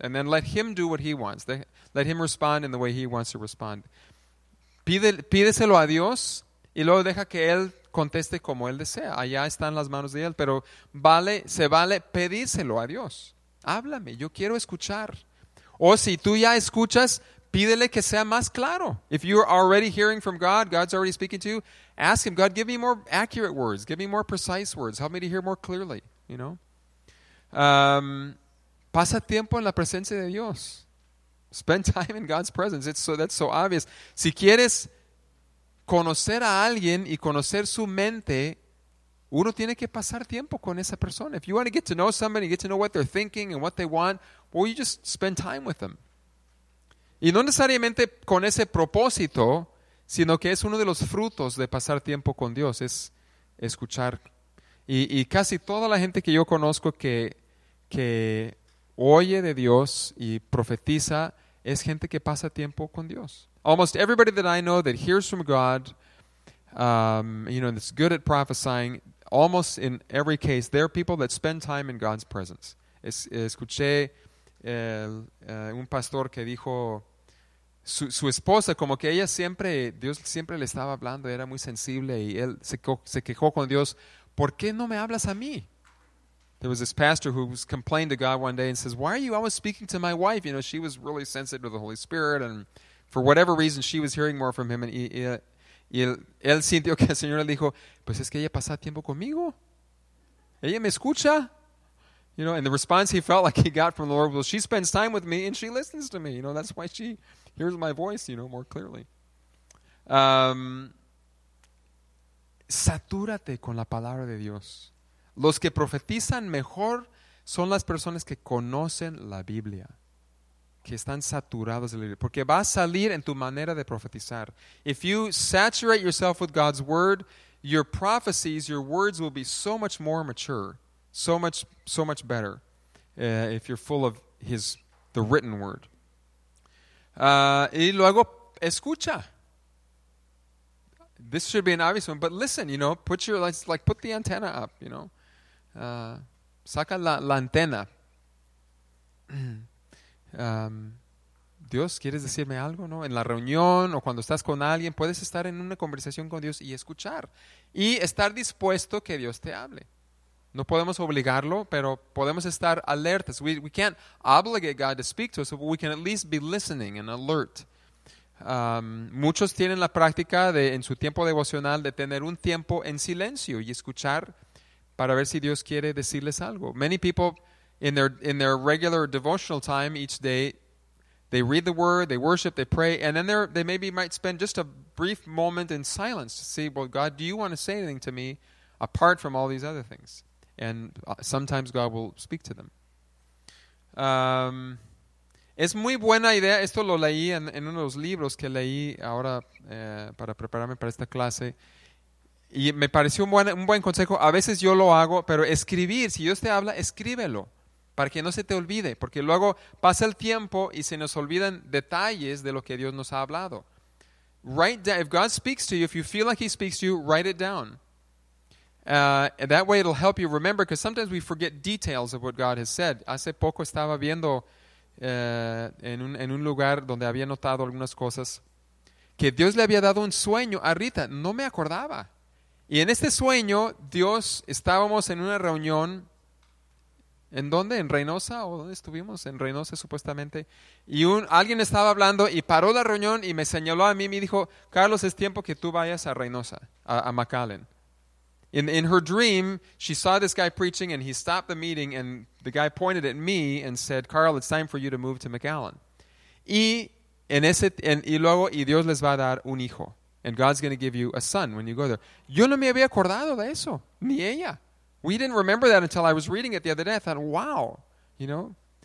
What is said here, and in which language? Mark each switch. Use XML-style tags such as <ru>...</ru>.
<en>And then let him do what he wants. Let him respond in the way he wants to respond.</en> <es>Pídeselo a Dios y luego deja que él conteste como él desea. Allá están las manos de él. Pero se vale pedírselo a Dios. Háblame, yo quiero escuchar. O si tú ya escuchas, pídele que sea más claro.</es> <en>If you're already hearing from God, God's already speaking to you, ask him, God, give me more accurate words. Give me more precise words. Help me to hear more clearly,</en> <es>pasa tiempo en la presencia de Dios.</es> <en>Spend time in God's presence. That's so obvious.</en> <es>Si quieres conocer a alguien y conocer su mente, uno tiene que pasar tiempo con esa persona.</es> <en>If you want to get to know somebody, get to know what they're thinking and what they want, well, you just spend time with them.</en> <es>Y no necesariamente con ese propósito, sino que es uno de los frutos de pasar tiempo con Dios, es escuchar. Y casi toda la gente que yo conozco que oye de Dios y profetiza es gente que pasa tiempo con Dios.</es> <en>Almost everybody that I know that hears from God, that's good at prophesying, almost in every case, they're people that spend time in God's presence.</en> <es>Escuché un pastor que dijo, su esposa, como que ella siempre, Dios siempre le estaba hablando, era muy sensible, y él se quejó con Dios, ¿por qué no me hablas a mí?</es> <en>There was this pastor who was complained to God one day and says, why are you always speaking to my wife? She was really sensitive to the Holy Spirit, and for whatever reason, she was hearing more from him, and</en> <es>él sintió que el Señor le dijo, pues es que ella pasa tiempo conmigo, ella me escucha.</es> <en>And the response he felt like he got from the Lord was, she spends time with me and she listens to me. That's why she hears my voice, more clearly.</en> <es>Satúrate con la palabra de Dios. Los que profetizan mejor son las personas que conocen la Biblia, que están saturados de la Biblia. Porque va a salir en tu manera de profetizar.</es> <en>If you saturate yourself with God's word, your prophecies, your words will be so much more mature. So much better if you're full of the written word.</en> <es>Y luego, escucha.</es> <en>This should be an obvious one, but listen, put your, like put the antenna up,</en> <es>saca la antena. Dios, ¿quieres decirme algo? ¿No? En la reunión o cuando estás con alguien, puedes estar en una conversación con Dios y escuchar. Y estar dispuesto que Dios te hable. No podemos obligarlo, pero podemos estar alertas. We can't obligate God to speak to us, but we can at least be listening and alert. Muchos tienen la práctica de, en su tiempo devocional, de tener un tiempo en silencio y escuchar para ver si Dios quiere decirles algo.</es> <en>Many people, in their regular devotional time each day, they read the word, they worship, they pray, and then they maybe might spend just a brief moment in silence to see, well, God, do you want to say anything to me apart from all these other things? And sometimes God will speak to them.</en> <es>Es muy buena idea. Esto lo leí en uno de los libros que leí ahora para prepararme para esta clase. Y me pareció un buen consejo. A veces yo lo hago, pero escribir. Si Dios te habla, escríbelo. Para que no se te olvide. Porque luego pasa el tiempo y se nos olvidan detalles de lo que Dios nos ha hablado.</es> <en>Write down. If God speaks to you, if you feel like he speaks to you, write it down. That way it'll help you remember, because sometimes we forget details of what God has said.</en> <es>Hace poco estaba viendo en un lugar donde había notado algunas cosas que Dios le había dado un sueño a Rita. No me acordaba. Y en este sueño, Dios, estábamos en una reunión, ¿en dónde? ¿En Reynosa? ¿O dónde estuvimos? En Reynosa, supuestamente. Y alguien estaba hablando y paró la reunión y me señaló a mí y me dijo, Carlos, es tiempo que tú vayas a Reynosa, a McAllen.</es> <en>In her dream, she saw this guy preaching and he stopped the meeting and the guy pointed at me and said, Carl, it's time for you to move to McAllen.</en> <es>Y Dios les va a dar un hijo.</es> <en>And God's going to give you a son when you go there.</en> <es>Yo no me había acordado de eso, ni ella.</es> <en>We didn't remember that until I was reading it the other day. I thought, wow, you know.</en>